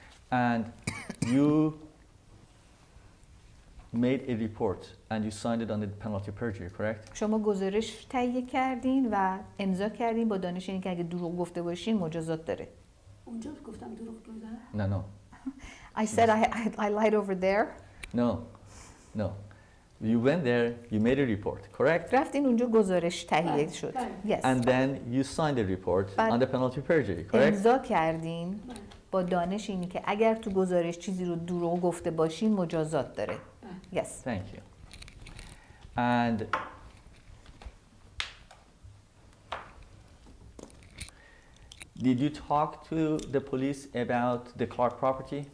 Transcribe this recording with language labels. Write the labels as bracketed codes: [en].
[en] And you made a report and you signed it under the penalty of perjury, correct? [fa] شما گزارش تهیه کردین و امضا کردین با دانش اینکه اگه دروغ گفته باشین مجازات داره. اونجا گفتم دروغ بوده؟ نه نه. [en] I said I lied over there. No. No. You went there, you made a report, correct? [fa] رفتین اونجا گزارش تهیه شد. [en] Yes. And then you signed the report under penalty of perjury, correct? [fa] امضا کردین با دانش اینکه اگر تو گزارش چیزی رو دروغ گفته باشین مجازات داره. [en] Yes. Thank you. And did you talk to the police about the Clark property?